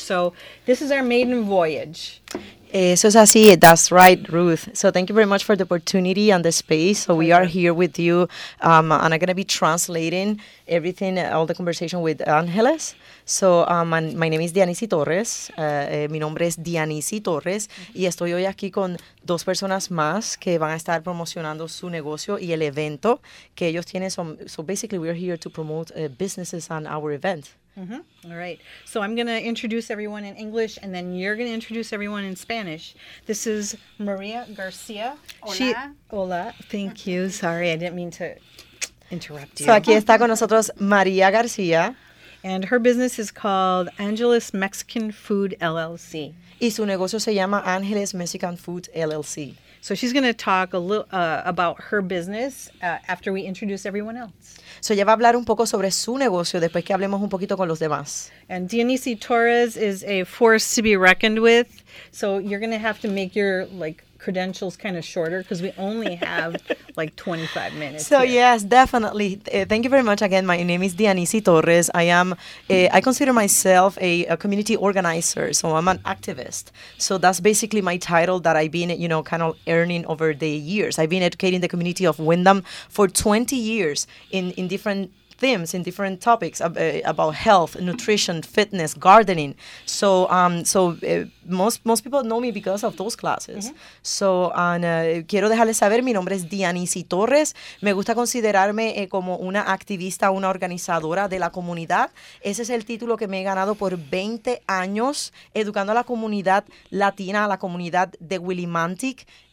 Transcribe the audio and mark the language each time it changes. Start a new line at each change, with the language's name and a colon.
English: So this is our maiden voyage.
Spanish: Eso es así.
English: That's right, Ruth. So thank you very much for the opportunity and the space. So we are here with you, and I'm going to be translating everything, all the conversation with Angeles. So my name is Dianisi Torres.
Spanish: Mi nombre es Dianisi Torres. Y estoy hoy aquí con dos personas más que van a estar promocionando su negocio y el evento que ellos tienen.
English: So basically, we are here to promote businesses and our event. Mm-hmm. All right. So I'm going to introduce everyone in English, and then you're going to introduce everyone in Spanish. This is Maria Garcia.
Spanish: Hola. Hola.
English: Thank you. Sorry, I didn't mean to interrupt you.
Spanish: So aquí está con nosotros Maria Garcia.
English: And her business is called Angeles Mexican Food LLC.
Spanish: Y su negocio se llama Angeles Mexican Food LLC.
English: So she's going to talk a little about her business after we introduce everyone else.
Spanish: So ella va a hablar un poco sobre su negocio después que hablemos un poquito con los demás.
English: And Dianisi Torres is a force to be reckoned with. So you're going to have to make your credentials kind of shorter because we only have 25 minutes. So here. Yes, definitely. Thank you very much again. My name is Dianisi Torres. I consider myself a community organizer. So I'm an activist. So that's basically my title that I've been, kind of earning over the years. I've been educating the community of Windham for 20 years in different themes, in different topics about health, nutrition, fitness, gardening. So most people know me because of those classes. Mm-hmm.
Spanish: So quiero dejarles saber, mi nombre es Dianisi Torres. Me gusta considerarme como una activista, una organizadora de la comunidad. Ese es el título que me he ganado por 20 años educando a la comunidad latina, a la comunidad de Willimantic.